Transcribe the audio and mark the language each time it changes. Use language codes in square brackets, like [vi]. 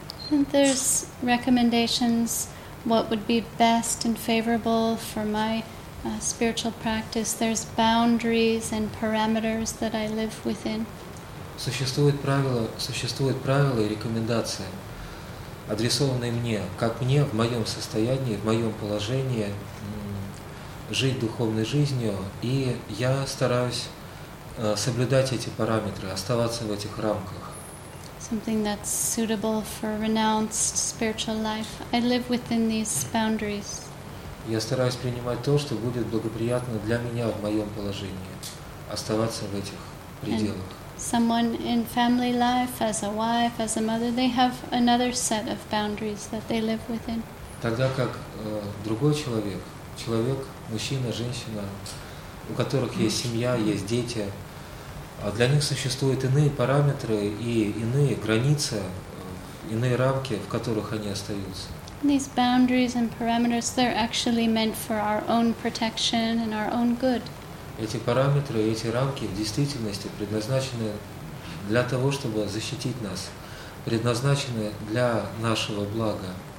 [en] And there's recommendations what would be best and favorable for my spiritual practice. There's boundaries and parameters that I live within. [ru] Существуют правила и рекомендации, адресованные мне, как мне в моем состоянии, в моем положении жить духовной жизнью, и я стараюсь соблюдать эти параметры, оставаться в этих рамках. [en] Something that's suitable for renounced spiritual life. I live within these boundaries. [ru] Я стараюсь принимать то, что будет благоприятно для меня в моем положении, оставаться в этих пределах. [en] Someone in family life, as a wife, as a mother, they have another set of boundaries that they live within. [ru] Тогда как другой человек, человек, мужчина, женщина, у которых есть семья, есть дети, для них существуют иные параметры и иные границы, иные рамки, в которых они остаются. [en] These boundaries and parameters, they're actually meant for our own protection and our own good. [ru] Эти параметры, эти рамки в действительности предназначены для того, чтобы защитить нас, предназначены для нашего блага.